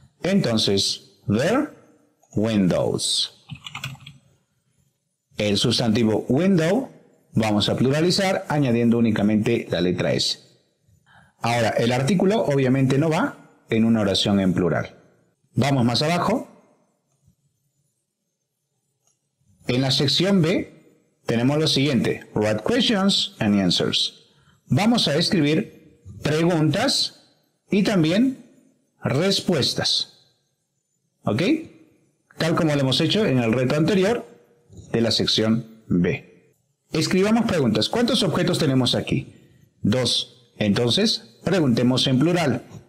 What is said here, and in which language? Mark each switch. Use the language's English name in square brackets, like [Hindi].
[English] Entonces, they're windows. [Spanish] El sustantivo window vamos a pluralizar añadiendo únicamente la letra S. Ahora, el artículo obviamente no va en una oración en plural. Vamos más abajo. En la sección B tenemos lo siguiente. [English] Write questions and answers. [Spanish] Vamos a escribir preguntas y también respuestas. ¿Ok? Tal como lo hemos hecho en el reto anterior de la sección B. Escribamos preguntas. ¿Cuántos objetos tenemos aquí? Dos. Entonces, preguntemos en plural.